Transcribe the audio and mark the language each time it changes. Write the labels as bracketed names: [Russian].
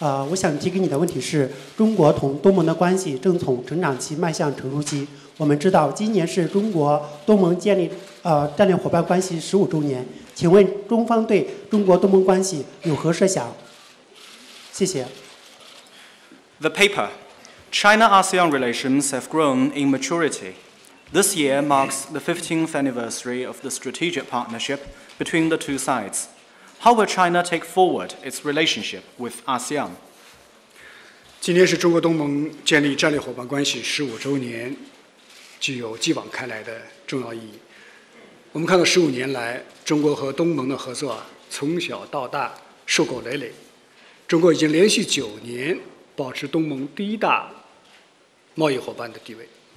[Chinese] 我想提给你的问题是，中国同东盟的关系正从成长期迈向成熟期。我们知道，今年是中国东盟建立战略伙伴关系十五周年。请问中方对中国东盟关系有何设想？谢谢。 [English] The paper, China-ASEAN relations have grown in maturity. This year marks the 15th anniversary of the strategic partnership between the two sides. How will China take forward its relationship with ASEAN? [Chinese] 今年是中国东盟建立战略伙伴关系十五周年，具有继往开来的重要意义。我们看到十五年来中国和东盟的合作、从小到大硕果累累，中国已经连续九年保持东盟第一大贸易伙伴的地位。